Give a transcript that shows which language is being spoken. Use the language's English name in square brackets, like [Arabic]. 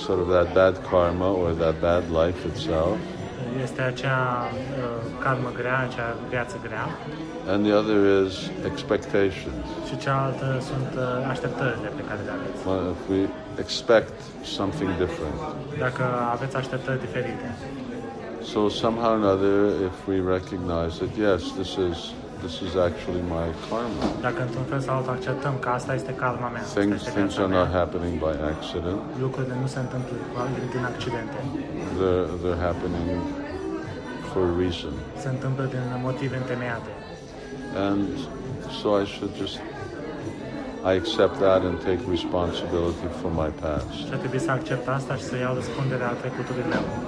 [English] That bad karma or that bad life itself. [Romanian] Este acea karma grea, acea viață grea. [English] And the other is expectations. [Romanian] Și cealaltă sunt așteptările pe care le aveți. [English] Well, if we expect something different. [Romanian] Dacă aveți așteptări diferite. [English] So somehow or another, if we recognize that, yes, this is this is actually my karma. [Romanian] Dacă într-un fel sau altul acceptăm că asta este karma mea. [English] Things are not happening by accident. [Romanian] Lucrurile nu se întâmplă din accidente. [English] They're happening for a reason. [Romanian] Se întâmplă din motive întemeiate. [English] And so I should just I accept that and take responsibility for my past. [Romanian] Și trebuie să accept asta și să iau răspunderea a trecutului meu.